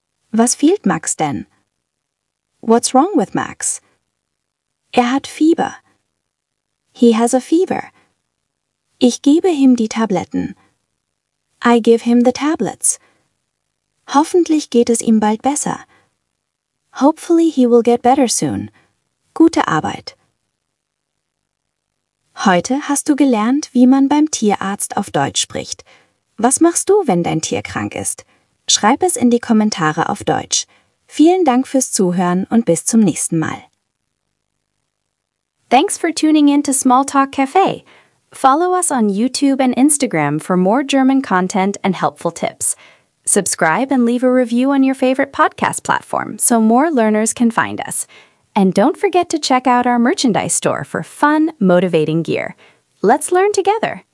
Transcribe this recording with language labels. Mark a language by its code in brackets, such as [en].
[de] Was fehlt Max denn? [en] What's wrong with Max? [de] Er hat Fieber. [en] He has a fever. [de] Ich gebe ihm die Tabletten. [en] I give him the tablets. [de] Hoffentlich geht es ihm bald besser. [en] Hopefully he will get better soon. [de] Gute Arbeit. Heute hast du gelernt, wie man beim Tierarzt auf Deutsch spricht. Was machst du, wenn dein Tier krank ist? Schreib es in die Kommentare auf Deutsch. Vielen Dank fürs Zuhören und bis zum nächsten Mal. [en] Thanks for tuning in to Small Talk Cafe. Follow us on YouTube and Instagram for more German content and helpful tips. Subscribe and leave a review on your favorite podcast platform so more learners can find us. And don't forget to check out our merchandise store for fun, motivating gear. Let's learn together!